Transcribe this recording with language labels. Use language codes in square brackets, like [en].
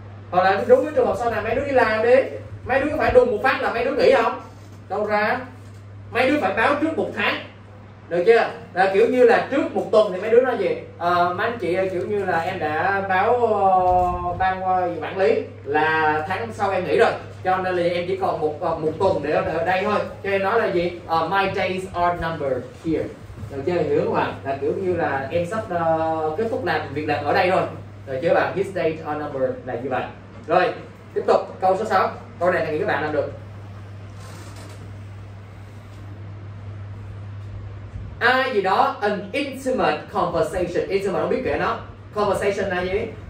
[vi] Hoặc là đúng với trường hợp sau này mấy đứa đi làm đi, mấy đứa có phải đùng một phát là mấy đứa nghỉ không? Đâu ra? Mấy đứa phải báo trước một tháng, được chưa? Là kiểu như là trước một tuần thì mấy đứa nói gì? Mấy anh chị kiểu như là em đã báo ban quản lý là tháng sau em nghỉ rồi, cho nên là em chỉ còn một tuần để ở đây thôi. Cho nên nói là gì? [en] My days are numbered here. [vi] Được chưa? Hiểu không ạ? Là kiểu như là em sắp kết thúc làm việc làm ở đây rồi. Được chưa bạn? [en] His days are numbered [vi] là như vậy. Rồi, tiếp tục câu số 6. Câu này thì các bạn làm được. Ai gì đó, [en] an intimate conversation. [vi] Intimate không biết kể nó. Conversation là gì?